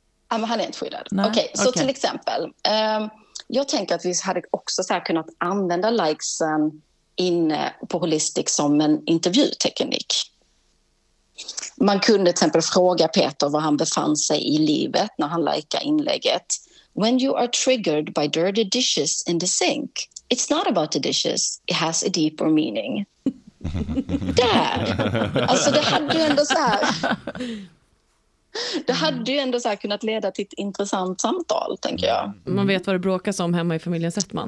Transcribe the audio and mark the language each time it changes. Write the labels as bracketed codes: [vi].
[sv] Ja, men han är inte skyddad. Okay. Till exempel, jag tänker att vi hade också så här kunnat använda likesen inne på Holistic som en intervjuteknik. Man kunde till exempel fråga Peter var han befann sig i livet när han likade inlägget. [en] "When you are triggered by dirty dishes in the sink, it's not about the dishes, it has a deeper meaning." [sv] Där! Alltså det hade ju ändå så här... Det hade ju ändå så här kunnat leda till ett intressant samtal, tänker jag. Man vet vad det bråkas om hemma i familjen Settman.